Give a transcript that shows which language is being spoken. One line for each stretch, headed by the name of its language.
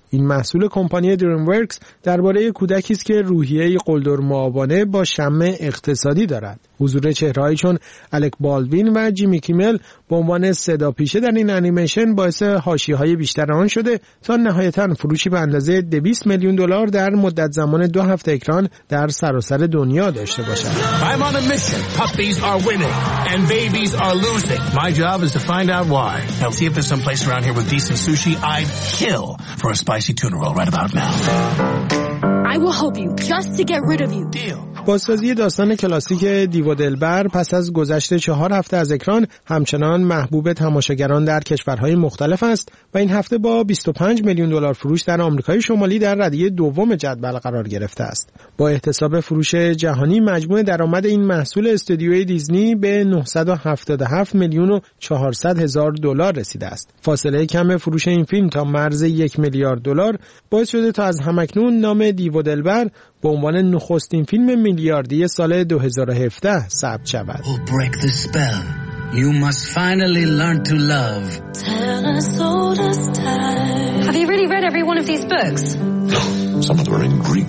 Persian: این محصول کمپانی دریم ورکس درباره کودکی است که روحیه قلدر معابانه با شمع اقتصادی دارد. حضور چهره‌هایی چون الک بالوین و جیمی کیمل به عنوان صداپیشه در این انیمیشن باعث حاشیه‌های بیشتر آن شده تا نهایتاً فروشی به اندازه 200 میلیون دلار در مدت زمان 2 هفته اکران در سراسر دنیا داشته باشد.
English: I'm on a mission. Puppies are winning and babies are losing. My job is to find out why. Now see if there's some place around here with decent sushi. I'd kill for a spicy tuna roll right about now. I will help you just to get rid of you. Deal.
Persian: بازسازی داستان کلاسیک دیو و دلبر پس از گذشت 4 هفته از اکران همچنان محبوب تماشاگران در کشورهای مختلف است و این هفته با 25 میلیون دلار فروش در آمریکای شمالی در ردیه دوم جدول قرار گرفته است. با احتساب فروش جهانی مجموع درآمد این محصول استودیوی دیزنی به 977 میلیون و 400 هزار دلار رسیده است. فاصله کم فروش این فیلم تا مرز 1 میلیارد دلار باعث شده تا از همکنون نام دیو و دلبر به عنوان نخستین فیلم میلیاردی سال 2017 ثبت شود.
English: We'll break the spell. You must finally learn to love. Have you really read every one of these books? No, some of them are in Greek.